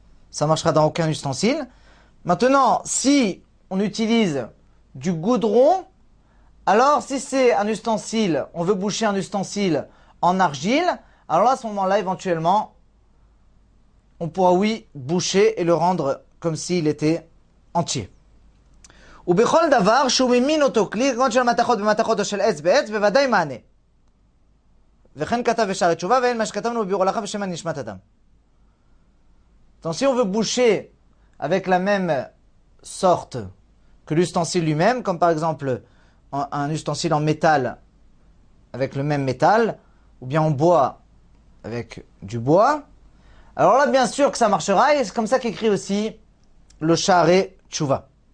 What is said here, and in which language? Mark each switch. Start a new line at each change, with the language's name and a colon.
French: Ça marchera dans aucun ustensile. Maintenant, si on utilise du goudron, alors si c'est un ustensile, on veut boucher un ustensile en argile, alors à ce moment-là, éventuellement, on pourra, oui, boucher et le rendre comme s'il était entier.
Hebrew: ובכל דבר שהוא ממין אותו כלי, כמו של מתכות במתכות או של עץ בעץ, בוודאי מענה. וכן כתב ושאר התשובה, ואין מה שכתבנו בביאור הלכה בשם הנשמת אדם.
French: Tension veut boucher avec la même sorte que l'ustensile lui-même, comme par exemple un ustensile en métal avec le même métal, ou bien en bois avec du bois. Alors là, bien sûr que ça marchera, et c'est comme ça qu'écrit aussi le Sha'arei Tshuva.